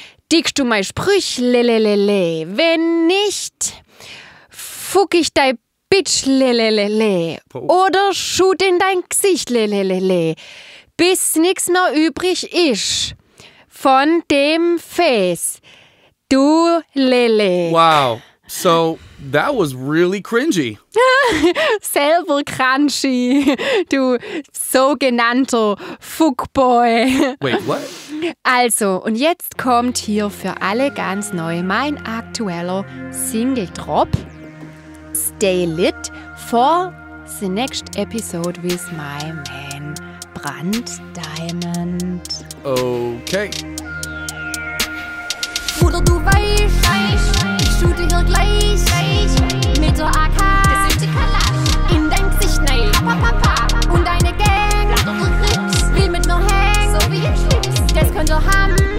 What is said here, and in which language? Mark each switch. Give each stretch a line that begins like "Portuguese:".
German: Dickst du mein Sprüch, lelelele? Wenn nicht, fuck ich dein Bitch, lelelele. Oder shoot in dein Gesicht, lelelele. Bis nix mehr übrig ist von dem Face. Du lele. Wow.
English: So, that was really cringy.
German: Selber crunchy, du sogenannter Fuckboy.
English: Wait, what?
German: Also, und jetzt kommt hier für alle ganz neu mein aktueller Single-Drop.
English: Stay lit for the next episode with my man, Brand Diamond. Okay.
German: Bruder, du weißt, ich shoote hier gleich mit der AK. Das ist die Kalasch. In dein Gesicht, nein. Pa, pa, pa, pa. Und deine Gang. Will mit mir hängen. So wie ich schließe. Das könnt ihr haben.